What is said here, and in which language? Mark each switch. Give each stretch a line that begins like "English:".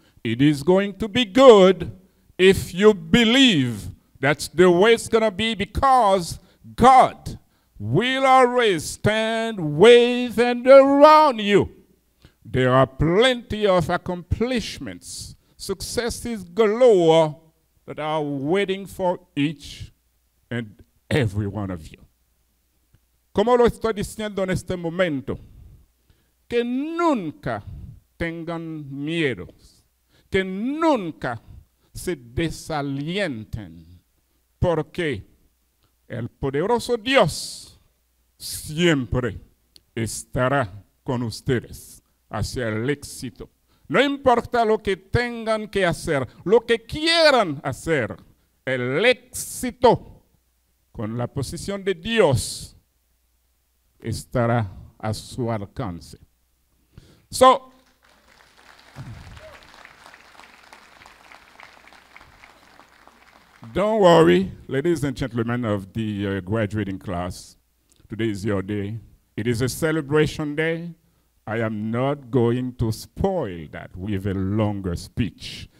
English: It is going to be good if you believe that's the way it's going to be, because God will always stand with and around you. There are plenty of accomplishments, successes galore, that are waiting for each and every one of you.
Spanish: Como lo estoy diciendo en este momento, que nunca tengan miedos, que nunca se desalienten, porque el poderoso Dios siempre estará con ustedes hacia el éxito. No importa lo que tengan que hacer, lo que quieran hacer, el éxito con la posición de Dios estará a su alcance.
English: So, don't worry, ladies and gentlemen of the graduating class. Today is your day. It is a celebration day. I am not going to spoil that with a longer speech.